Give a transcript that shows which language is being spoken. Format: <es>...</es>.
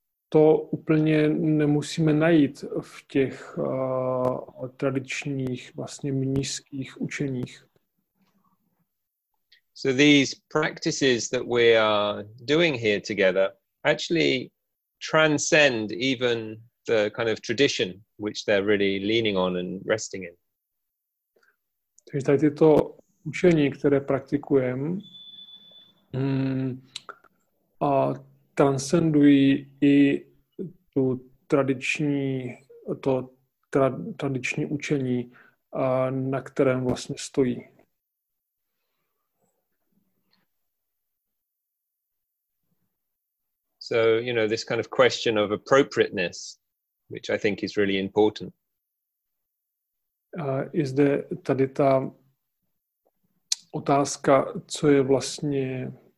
<cs>To úplně nemusíme najít v těch tradičních vlastně mnišských učeních.</cs> <en>So these practices that we are doing here together actually transcend even the kind of tradition which they're really leaning on and resting in.</en> <cs>Takže tady tyto učení, které praktikujeme, a transcendují i tu tradiční, to tradiční učení, na kterém vlastně stojí.</cs> <en>So, you know, this kind of question of appropriateness, which I think is really important. Is there</en> <cs>tady ta otázka, co je vlastně</cs>